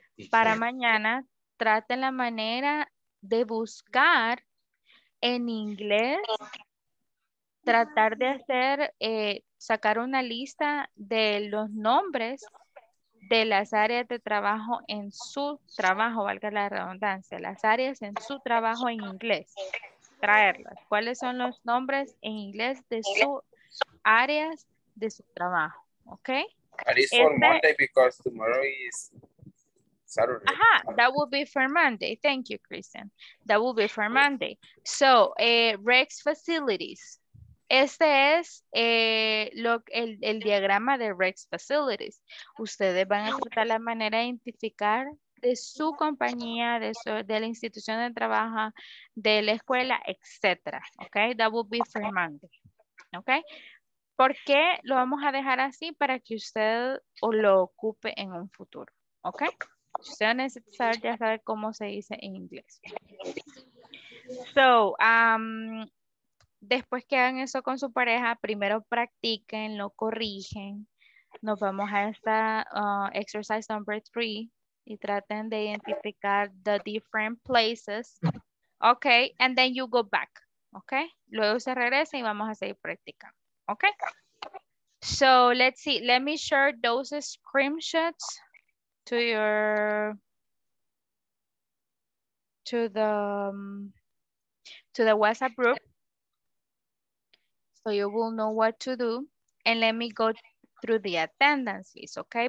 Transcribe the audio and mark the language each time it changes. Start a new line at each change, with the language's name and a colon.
Spanish: Para mañana, traten la manera de buscar en inglés, tratar de hacer, sacar una lista de los nombres de las áreas de trabajo en su trabajo, valga la redundancia, las áreas en su trabajo en inglés, traerlas. ¿Cuáles son los nombres en inglés de sus áreas de su trabajo? ¿Ok?
English: That is for Monday because tomorrow is Saturday. Ajá, that will be for Monday. Thank you, Kristen. That will be for Monday.
Spanish: So, Rex Facilities. Este es el diagrama de Rex Facilities. Ustedes van a tratar la manera de identificar de su compañía, de la institución de trabajo, de la escuela, etc. ¿Ok?
English: That will be for Monday.
Spanish: ¿Ok? ¿Por qué lo vamos a dejar así? Para que usted lo ocupe en un futuro. ¿Ok? Usted necesita saber, ya sabe cómo se dice en inglés. So, después que hagan eso con su pareja, primero practiquen, lo corrigen. Nos vamos a esta exercise number 3 y traten de identificar
English: the different places. Ok, and then you go back.
Spanish: Ok, luego se regresa y vamos a seguir practicando.
English: Okay, so let's see. Let me share those screenshots to your, to the WhatsApp group. So you will know what to do. And let me go through the attendance list, okay?